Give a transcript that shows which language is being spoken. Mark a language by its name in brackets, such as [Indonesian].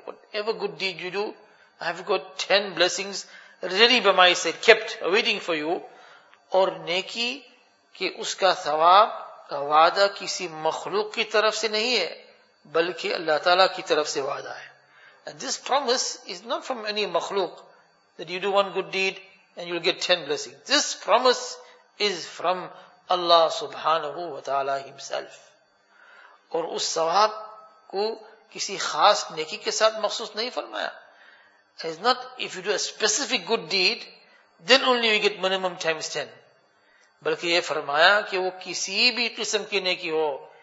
[English] Whatever good deed you do, I have got 10 blessings ready by my side, kept waiting for you. [Urdu] اور نیکی کہ اس کا ثواب کا وعدہ کسی مخلوق کی طرف سے نہیں ہے, بلکہ اللہ تعالیٰ کی طرف سے وعدہ ہے. [English] And this promise is not from any مخلوق, that you do one good deed and you'll get 10 blessings. This promise is from Allah subhanahu wa ta'ala himself. [Urdu] اور اس ثواب کو کسی خاص نیکی کے ساتھ مخصوص نہیں فرمایا. [English] It's not if you do a specific good deed, then only you get minimum times 10. [Urdu] بلکہ یہ فرمایا کہ وہ کسی بھی قسم کی نیکی ہو.